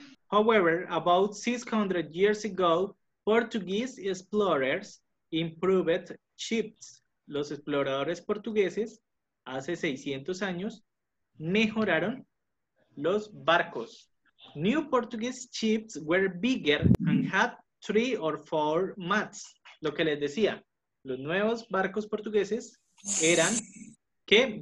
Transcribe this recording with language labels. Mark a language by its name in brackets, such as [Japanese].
[English] However, about 600 years ago, Portuguese explorers improved ships. [Spanish] Los exploradores portugueses hace 600 años mejoraron los barcos. [English] New Portuguese ships were bigger and had 3 or 4 masts. [Spanish] Lo que les decía, los nuevos barcos portugueses eran ¿qué?